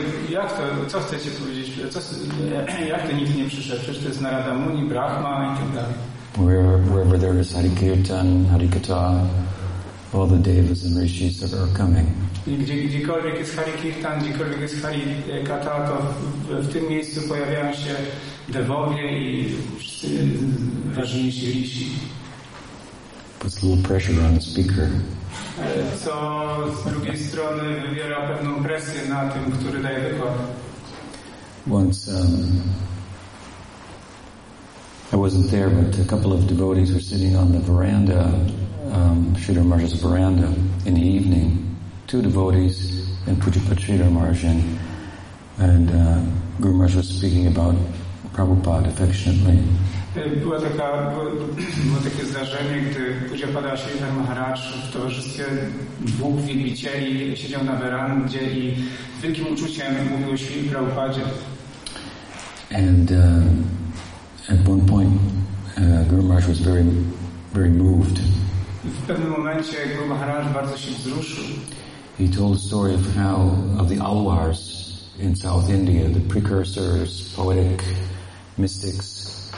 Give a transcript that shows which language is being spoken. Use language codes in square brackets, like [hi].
[pl] Jak to, co chcecie powiedzieć? Jak to nikt nie przyszedł? Przecież to jest Narada Muni, Brahma i tak dalej. [en] Wherever there is Harikirtan, Harikata, all the devas and rishis that are coming. [pl] Gdziekolwiek jest Harikirtan, gdziekolwiek jest Harikata, to w tym miejscu pojawiają się devowie i ważniejsi rishi. [en] Puts a little pressure on the speaker. [pl] Co z drugiej strony wywiera pewną presję na tym, który daje wykład. [en] Once I wasn't there, but a couple of devotees were sitting on the veranda, Sridhar Maharaj's veranda, in the evening. Two devotees and Pujapati Sridhar Maharaj, and Guru Maharaj was speaking about Prabhupada affectionately. [pl] Było takie zdarzenie, gdy Pujapada Sridhar Maharaj w towarzystwie dwóch wielbicieli siedział na werandzie i z wielkim uczuciem mówił o Śrili Prabhupadzie. [en] And at one point, Guru Maharaj was very, very moved. [pl] W pewnym momencie Guru Maharaj bardzo się wzruszył. [en] He told a story of how of the Alwars in South India, the precursors, poetic mystics